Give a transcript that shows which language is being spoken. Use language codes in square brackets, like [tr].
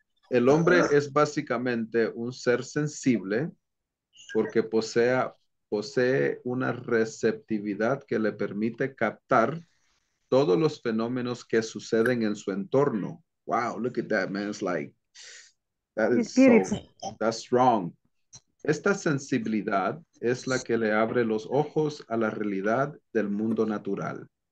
[es] El hombre es básicamente un ser sensible porque posee una receptividad que le permite captar todos los fenómenos que suceden en su entorno. [en] Wow, look at that, man. It's like, that is so, that's strong. [es] Esta sensibilidad es la que le abre los ojos a la realidad del mundo natural.